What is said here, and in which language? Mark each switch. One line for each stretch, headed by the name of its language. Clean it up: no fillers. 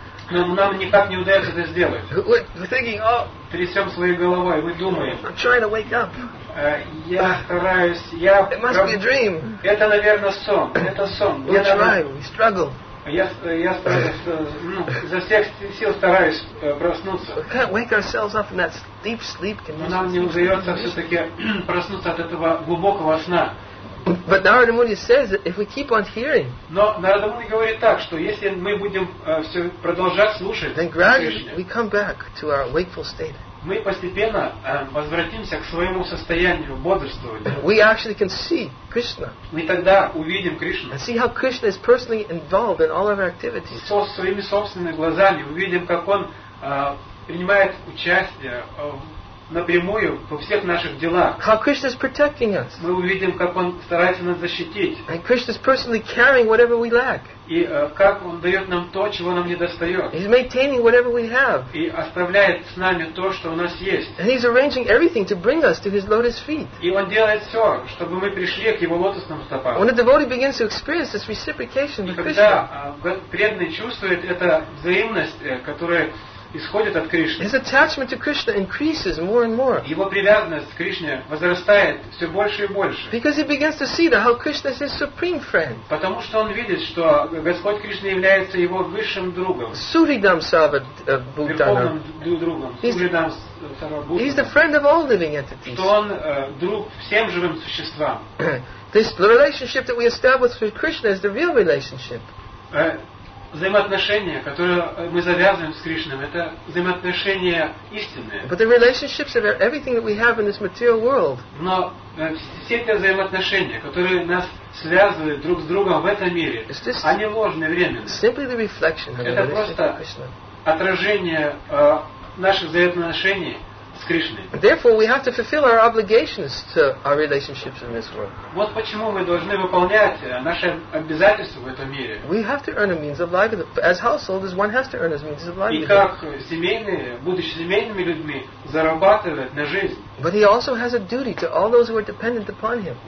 Russian: Но нам никак не удается это сделать.
English: Thinking, oh,
Russian: трясем своей головой, мы думаем.
English: I'm trying to wake up.
Russian: Я стараюсь. Я
English: it must be a dream.
Russian: Это, наверное, сон. Это сон.
English: We try, we struggle.
Russian: Я стараюсь, за всех сил стараюсь проснуться.
English: We can't wake ourselves up in that deep sleep condition.
Russian: Но нам не удается все-таки проснуться от этого глубокого сна.
English: But Narada Muni says that if we keep on hearing,
Russian: но Нарада Муни говорит так, что если мы будем все продолжать слушать,
English: then gradually we come back to our wakeful state.
Russian: Мы постепенно возвратимся к своему состоянию бодрствования.
English: We actually can see Krishna.
Russian: Мы тогда увидим Кришну.
English: And see how Krishna is personally involved in all of our activities.
Russian: Со своими собственными глазами увидим, как он принимает участие напрямую во всех наших делах.
English: How Krishna is protecting us.
Russian: Мы увидим, как он старается нас защитить.
English: And Krishna is personally carrying whatever we lack.
Russian: И как он дает нам то, чего нам не достает.
English: He's maintaining whatever we have.
Russian: И оставляет с нами то, что у нас есть.
English: And he's arranging everything to bring us to his lotus feet.
Russian: И он делает все, чтобы мы пришли к его лотосным стопам.
English: When a devotee begins to experience this reciprocation with Krishna.
Russian: И когда преданный чувствует эту взаимность, которая исходит от Кришны.
English: His attachment to Krishna increases more and more.
Russian: Его привязанность к Кришне возрастает все больше и больше.
English: Because he begins to see that how Krishna is his supreme friend.
Russian: Потому что он видит, что Господь Кришна является его высшим другом.
Sanskrit: Суридам сават бхутанам.
Russian: Верховным другом.
English: He's the friend of all living entities.
Russian: Что он друг всем живым существам.
English: This relationship that we establish with Krishna is the real relationship.
Russian: Взаимоотношения, которые мы завязываем с Кришной, это взаимоотношения истинные.
English: But the relationships are everything that we have in this material world.
Russian: Но все те взаимоотношения, которые нас связывают друг с другом в этом мире, они ложные, временные.
English: Simply the reflection of
Russian: это просто отражение наших взаимоотношений с Кришной.
English: Therefore, we have to fulfill our obligations to our relationships in this world.
Russian: Вот почему мы должны выполнять наши обязательства в этом мире.
English: We have to earn a means of livelihood. As householders, one has to earn a means of livelihood.
Russian: И как семейные, будучи семейными людьми, зарабатывать на жизнь.
English: But he also has a duty to all those who are dependent upon him.